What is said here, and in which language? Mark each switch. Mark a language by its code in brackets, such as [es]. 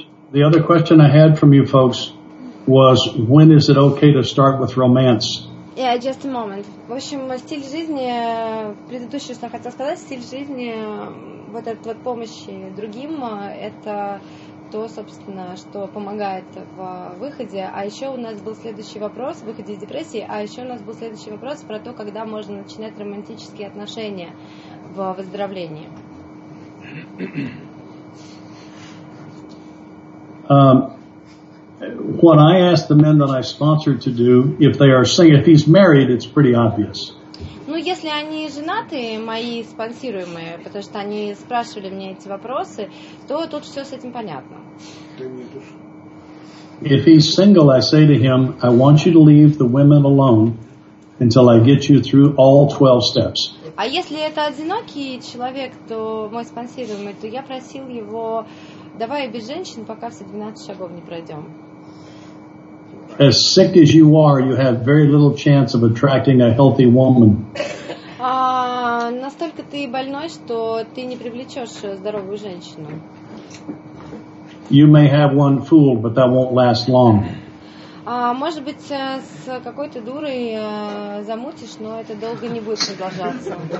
[en] The other question I had from you folks was, when is it okay to start with romance? Yeah, just a moment. [ru] В общем, стиль жизни, предыдущее, что я хотела сказать, стиль жизни, вот этот вот помощи другим, это то, собственно, что помогает в выходе. А еще у нас был следующий вопрос, выходе из депрессии, а еще у нас был следующий вопрос про то, когда можно начинать романтические отношения в выздоровлении. [en] What I ask the men that I sponsor to do, if they are single, if he's married, it's pretty obvious. [ru] Ну, если они женаты, мои спонсируемые, потому что они спрашивали мне эти вопросы, то тут все с этим понятно. [en] If he's single, I say to him, I want you to leave the women alone until I get you through all 12 steps. [ru] А если это одинокий человек, то мой спонсируемый, то я просил его, давай без женщин, пока все 12 шагов не пройдем. [en] As sick as you are, you have very little chance of attracting a healthy woman. [ru] Настолько ты больной, что ты не привлечешь здоровую женщину. [en] You may have one fool, but that won't last long. [ru] Может быть, с какой-то дурой замутишь, но это долго не будет продолжаться.